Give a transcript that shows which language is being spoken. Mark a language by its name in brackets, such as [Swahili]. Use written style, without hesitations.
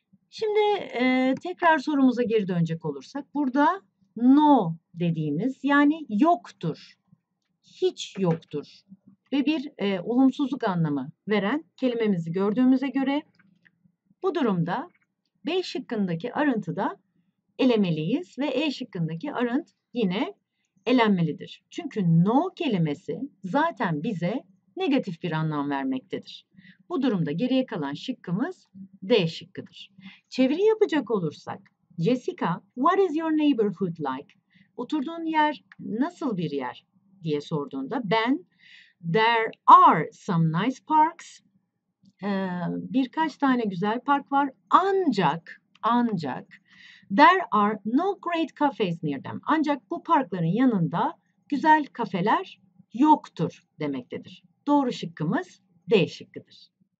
[Turkish] Şimdi tekrar sorumuza geri dönecek olursak, burada no dediğimiz, yani yoktur, hiç yoktur ve bir olumsuzluk anlamı veren kelimemizi gördüğümüze göre bu durumda B şıkkındaki aren't'ı da elemeliyiz ve E şıkkındaki aren't yine elenmelidir. Çünkü no kelimesi zaten bize negatif bir anlam vermektedir. Bu durumda geriye kalan şıkkımız D şıkkıdır. Çeviri yapacak olursak, [English] Jessica, what is your neighborhood like? [Turkish] Oturduğun yer nasıl bir yer diye sorduğunda ben, [English] there are some nice parks. [Turkish] Birkaç tane güzel park var, ancak [English] there are no great cafes near them. [Turkish] Ancak bu parkların yanında güzel kafeler yoktur demektedir. Doğru şıkkımız D şıkkıdır.